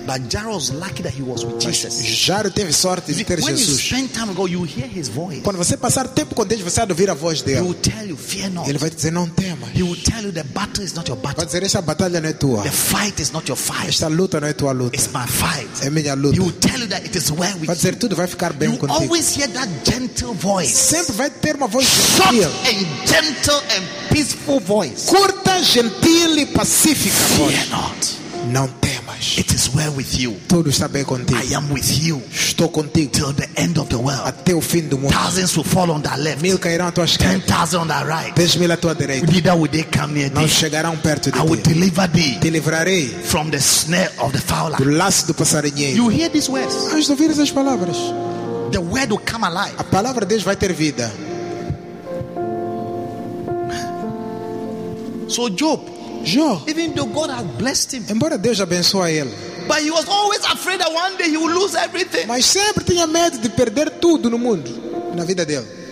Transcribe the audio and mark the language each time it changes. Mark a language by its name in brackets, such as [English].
[English] But Jairus was lucky that he was with Jesus. [Portuguese] Jairo teve sorte de ter [English] when Jesus. When you spend time ago, you hear his voice. [Portuguese] Quando você passar tempo com Deus, você vai ouvir a voz dele. [English] He will tell you, fear not. [Portuguese] Ele vai dizer, não temas. [English] He will tell you, the battle is not your battle. [Portuguese] Vai dizer, essa batalha não é tua. [English] The fight is not your fight. [Portuguese] Esta luta não é tua luta. [English] It's my fight. [Portuguese] É minha luta. [English] He will tell you that it is well with [Portuguese] vai dizer, tudo vai ficar bem [English] you [Portuguese] contigo. [English] You always hear that gentle voice. [Portuguese] Sempre vai ter uma voz [English] gentil. And gentle and peaceful voice. [Portuguese] Curta, gentil e pacífica. [English] Fear [Portuguese] voz. [English] Not. [Portuguese] Não temas. [English] It is well with you. [Portuguese] Tudo está bem contigo. [English] I am with you. [Portuguese] Estou contigo. [English] Till the end of the world. [Portuguese] Até o fim do mundo. [English] Thousands will fall on that left. [Portuguese] Mil cairão à tua esquerda. [English] 10,000 on that right. [Portuguese] 10,000 à tua direita. [English] Neither will they come near thee. [Portuguese] Não chegarão perto de ti. [English] I will deliver thee. [Portuguese] Te livrarei. [English] From the snare of the fowler. [Portuguese] Do laço do passarinheiro. [English] You hear these words? [Portuguese] Antes de ouvir essas palavras. [English] The word will come alive. [Portuguese] A palavra de Deus vai ter vida. [English] So Job. [Portuguese] Jó, [English] even though God has blessed him, [Portuguese] embora Deus abençoe ele, [English] But he was always afraid that one day he would lose everything. [Portuguese] Mas sempre tinha medo de perder tudo no mundo, na vida dele.